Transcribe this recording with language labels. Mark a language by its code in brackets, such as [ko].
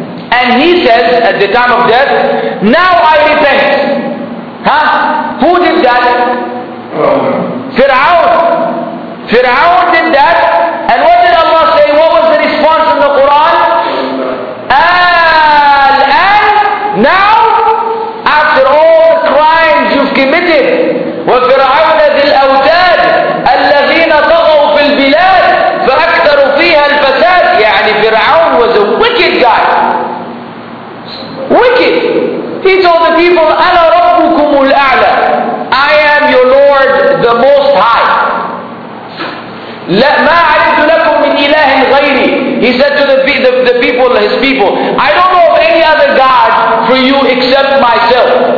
[en] And he says, at the time of death, now I repent. Huh? Who did that? Fir'aun. Fir'aun did that. And what did Allah say? What was the response in the Quran? Al-an. Now, after all the crimes you've committed, [ar] وَفِرْعَوْنَ ذِي الْأَوْتَادِ الَّذِينَ طَغَوْا فِي الْبِلَادِ فَأَكْثَرُوا فِيهَا الْفَسَادِ. [en] يعني Fir'aun was a wicked guy. Wicked. He told the people, [ar] أَنَا رَبُّكُمُ الْأَعْلَى. [en] I am your Lord, the Most High. [ar] مَا عَلِمْتُ لَكُمْ مِنْ إِلَٰهٍ غَيْرِي. [en] He said to the people, his people, I don't know of any other God for you except myself.